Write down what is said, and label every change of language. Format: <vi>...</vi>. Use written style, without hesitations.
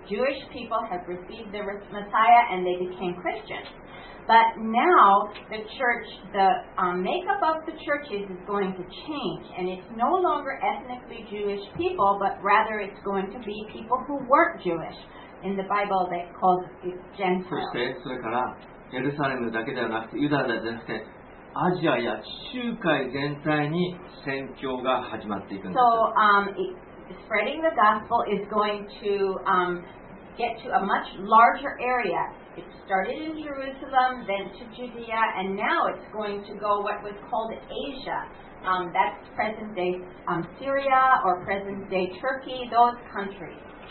<en>Jewish people have received the Messiah and they became Christians. But now the church, the makeup of the churches is going to change, and it's no longer ethnically Jewish people, but rather it's going to be people who weren't Jewish. In the Bible, they call it Gentiles.</en> <ja>そしてそれからエルサレムだけではなくてユダヤではなくてアジアや地中海全体に宣教が始まっていくんです。</ja> <en>Spreading the gospel is going to get to a much larger area. It started in Jerusalem, then to Judea, and now it's going to go what was called Asia. That's present-day Syria or present-day Turkey, those countries.</en>